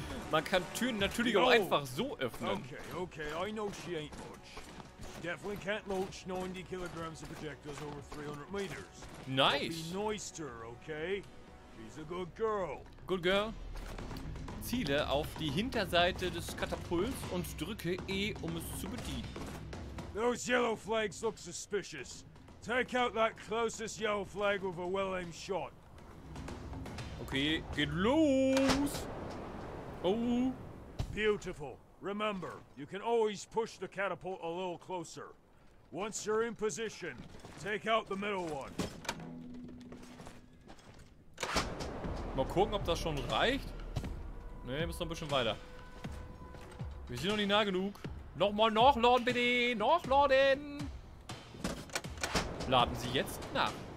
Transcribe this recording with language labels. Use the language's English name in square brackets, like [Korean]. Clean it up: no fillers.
[German] Man kann Türen natürlich auch einfach so öffnen. [English] Okay, okay. I know she ain't much. Definitely can't launch 90 kilograms of projectiles over 300 meters. Nice. Be nice to her, okay? She's a good girl. Good girl. [German] Ziele auf die Hinterseite des Katapults und drücke E, um es zu bedienen. [English] Those yellow flags look suspicious. Take out that closest yellow flag with a well-aimed shot. [German] Okay, geht los. Oh. [English] Beautiful. Remember, you can always push the catapult a little closer. Once you're in position, take out the middle one. [German] Mal gucken, ob das schon reicht. Nee, müssen noch ein bisschen weiter. Wir sind noch nicht nah genug. Nochmal nachladen, bitte. Nachladen. Laden Sie jetzt nach.